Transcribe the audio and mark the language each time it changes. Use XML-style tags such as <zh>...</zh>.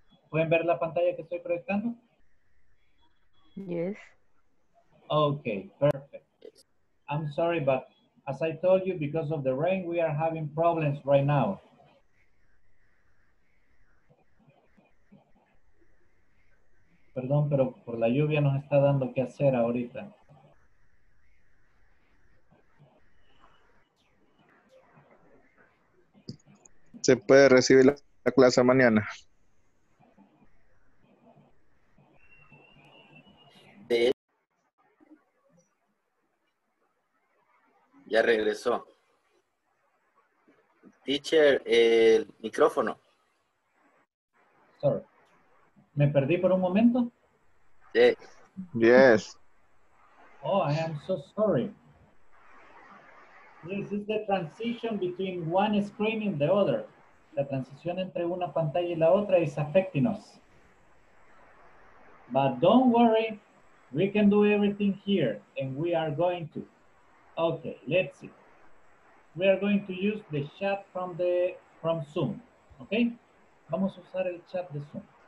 <es>¿Pueden ver la pantalla que estoy proyectando?</es> <en>Yes. Okay, perfect. I'm sorry, but as I told you, because of the rain, we are having problems right now.</en> <es>Perdón, pero por la lluvia nos está dando que hacer ahorita. Se puede recibir la clase mañana. Ya regresó. Teacher, el micrófono. Sorry. ¿Me perdí por un momento? Sí.</es> <en>Yes. Oh, I am so sorry. This is the transition between one screen and the other.</en> <es>La transición entre una pantalla y la otra</es> <en>is affecting us. But don't worry, we can do everything here, and we are going to. Okay, let's see. We are going to use the chat from Zoom, okay?</en> <es>Vamos a usar el chat de Zoom.</es>